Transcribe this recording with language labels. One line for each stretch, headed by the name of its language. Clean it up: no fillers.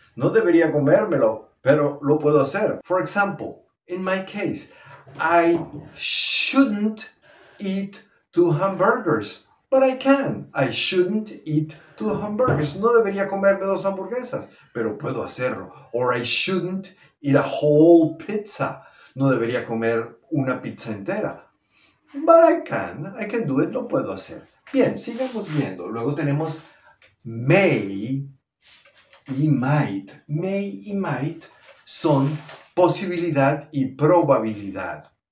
Spanish: No debería comérmelo, pero lo puedo hacer.
English: For example, in my case, I shouldn't eat two hamburgers, but I can. I shouldn't eat two hamburgers.
Spanish: No debería comerme dos hamburguesas, pero puedo hacerlo.
English: Or I shouldn't eat a whole pizza.
Spanish: No debería comer una pizza entera.
English: But I can do it.
Spanish: Lo puedo hacer. Bien, sigamos viendo. Luego tenemos may y might. May y might son posibilidad y probabilidad.